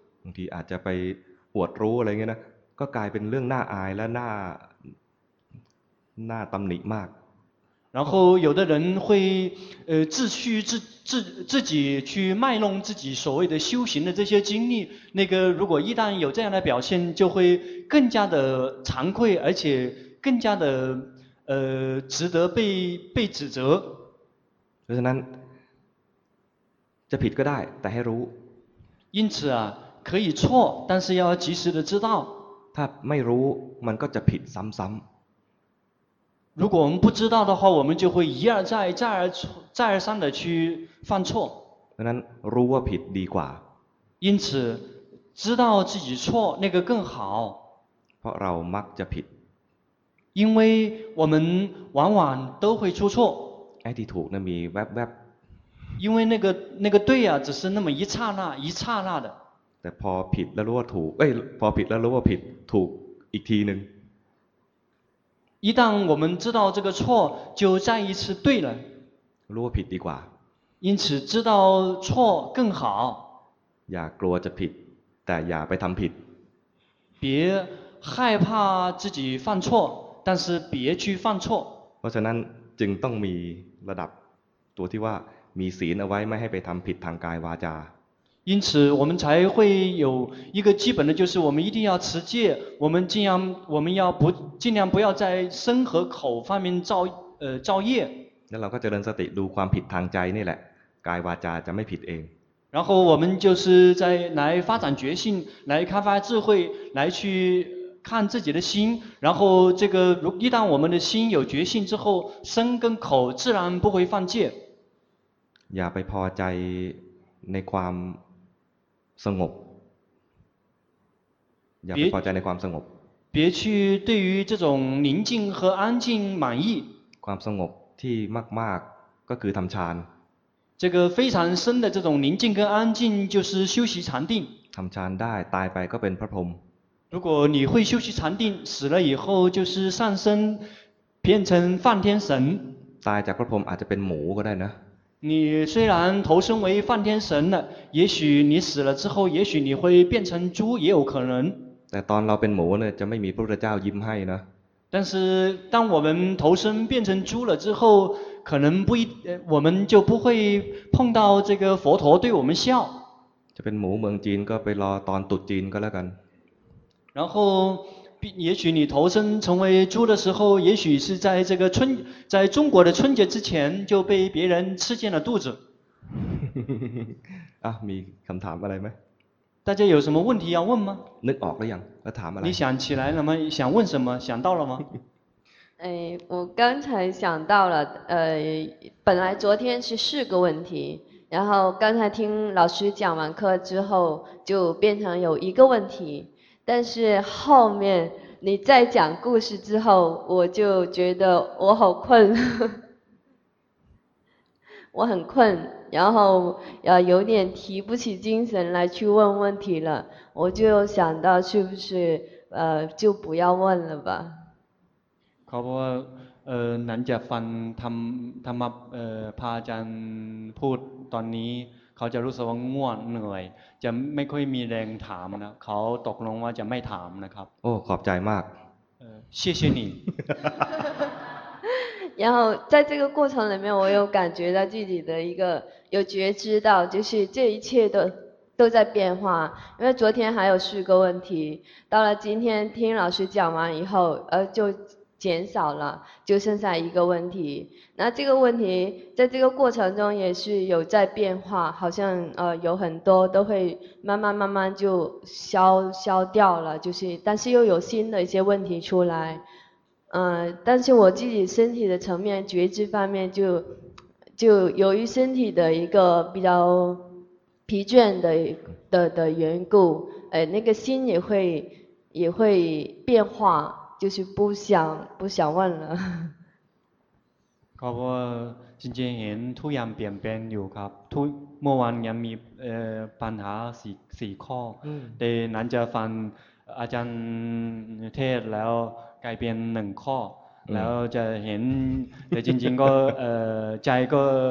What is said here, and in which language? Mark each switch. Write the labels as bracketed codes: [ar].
[th] บางทีอาจจะไปอวดรู้อะไรเงี้ยนะก็กลายเป็นเรื่องน่าอายและน่าตำหนิมาก [zh] 然后有的人会自己去卖弄自己所谓的修行的这些经历那个如果一旦有这样的表现就会更加的惭愧而且更加的值得被指责 [th] เพราะฉะนั้นจะผิดก็ได้แต่ให้รู้ [zh] 因此啊可以错但是要及时的知道 [th] ถ้าไม่รู้มันก็จะผิดซ้ำ [zh] ๆ如果我们不知道的话我们就会一而再再而三的去犯错 [th] เพราะนั้นรู้ว่าผิดดีกว่า [zh] 因此知道自己错那个更好 [th] เพราะเรามักจะผิด [zh] 因为我们往往都会出错 [th] ไอ้ที่ถูกนะมีแวบแวบ [zh] 因为那个对啊只是那么一刹那的 [th] แต่พอผิดแล้วรู้ว่าถูกเอ้ยพอผิดแล้วรู้ว่าผิดถูกอีกทีนึง [zh] 一旦我们知道这个错就再一次对了 [th] รู้ว่าผิดดีกว่า [zh] 因此知道错更好 [th] อย่ากลัวจะผิดแต่อย่าไปทำผิด [zh] 别害怕自己犯错但是别去犯错 [th] เพราะฉะนั้นจึงต้องมีระดับตัวที่ว่ามีศีลเอาไว้ไม่ให้ไปทำผิดทางกายวาจา [zh] 因此我们才会有一个基本的就是我们一定要持戒我们要不尽量不要在身和口方面造业 [th] แล้วเราก็เจริญสติดูความผิดทางใจนี่แหละกายวาจาจะไม่ผิดเอง [zh] 然后我们就是在来发展觉性来开发智慧来去看自己的心然后这个一旦我们的心有决心之后身跟口自然不会犯戒 [th] อย่าไปพอใจในความสงบอย่าไปพอใจในความสงบ [zh] 别去对于这种宁静和安静满意 [th] ความสงบที่มากๆก็คือทำฌาน [zh] 这个非常深的这种宁静跟安静就是修习禅定 [th] ทำฌานได้ตายไปก็เป็นพระพรหม [zh] 如果你会修习禅定死了以后就是上升变成梵天神。 [th] ตายจากพระพรหมอาจจะเป็นหมูก็ได้นะ。 [zh] 你虽然投身为梵天神了，也许你死了之后，也许你会变成猪，也有可能。 [th] แต่ตอนเราเป็นหมูเนี่ยจะไม่มีพระพุทธเจ้ายิ้มให้นะ。 [zh] 但是当我们投身变成猪了之后，可能不一，我们就不会碰到这个佛陀对我们笑。 [th] จะเป็นหมูเมืองจีนก็ไปรอตอนตุ๊ดจีนก็แล้วกัน。 [zh] 然后。也许你投身成为猪的时候，也许是在这个春，在中国的春节之前就被别人吃进了肚子。 [th] 啊，มีคำถามอะไรไหม？ [zh] 大家有什么问题要问吗？ [th] นึกออกหรือยัง？ แล้วถามอะไร？ [zh] 你想起来了吗？想问什么？想到了吗？哎，我刚才想到了，本来昨天是四个问题，然后刚才听老师讲完课之后，就变成有一个问题。但是后面你再讲故事之后，我就觉得我好困，我很困，然后有点提不起精神来去问问题了。我就想到是不是就不要问了吧？ [th] เขาบอกว่าหลังจากฟังธรรมะพระอาจารย์พูดตอนนี้เขาจะรู้สึกว่าง่วงเหนื่อยจะไม่ค่อยมีแรงถามนะเขาตกลงว่าจะไม่ถามนะครับ โอ้ขอบใจมาก [zh] เออ谢谢你然后在这个过程里面我有感觉到自己的一个有觉知到就是这一切都在变化因为昨天还有四个问题到了今天听老师讲完以后就减少了就剩下一个问题那这个问题在这个过程中也是有在变化好像有很多都会慢慢慢慢就消掉了就是但是又有新的一些问题出来但是我自己身体的层面觉知方面就由于身体的一个比较疲倦的缘故那个心也会变化就是不想问了 [th] เพราะว่าจริงๆเห็นทุกอย่างเปลี่ยนแปลงอยู่ครับทุกเมื่อวานยังมีปัญหา4ข้อแต่หลังจากฟังอาจารย์เทศแล้วกลายเป็น1ข้อแล้วจะเห็นแต่จริงๆก็ใจก็